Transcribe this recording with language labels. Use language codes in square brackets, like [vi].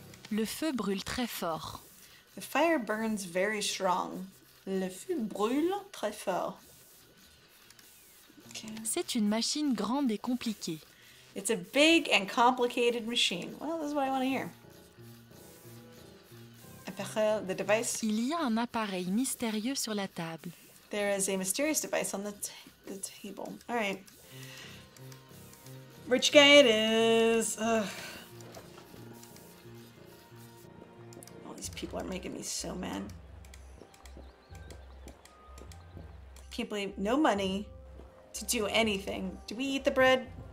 [fr] Le feu brûle très fort. [en] The fire burns very strong. [fr] Le feu brûle très fort. Okay. C'est une machine grande et compliquée. [en] It's a big and complicated machine. Well, this is what I want to hear. The device. [fr] Il y a un appareil mystérieux sur la table. [en] There is a mysterious device on the table. All right. Rich guy it is. Ugh. All these people are making me so mad. I can't believe no money to do anything. Do we eat the bread?